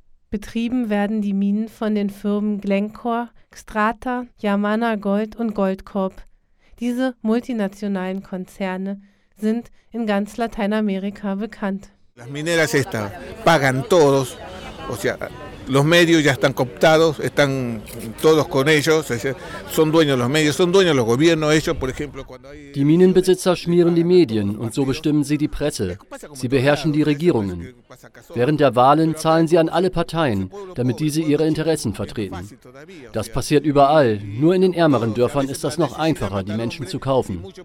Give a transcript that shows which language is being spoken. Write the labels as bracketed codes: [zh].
[de] Betrieben werden die Minen von den Firmen Glencore, Xstrata, Yamana Gold und Goldcorp. Diese multinationalen Konzerne sind in ganz Lateinamerika bekannt. [es] Las mineras estas pagan todos, o sea, los medios ya están cooptados, están todos con ellos, son dueños los medios, son dueños los gobiernos, ellos, por ejemplo, cuando hay... [de] Die Minenbesitzer schmieren die Medien und so bestimmen sie die Presse. Sie beherrschen die Regierungen. Während der Wahlen zahlen sie an alle Parteien, damit diese ihre Interessen vertreten. Das passiert überall, nur in den ärmeren Dörfern ist das noch einfacher, die Menschen zu kaufen.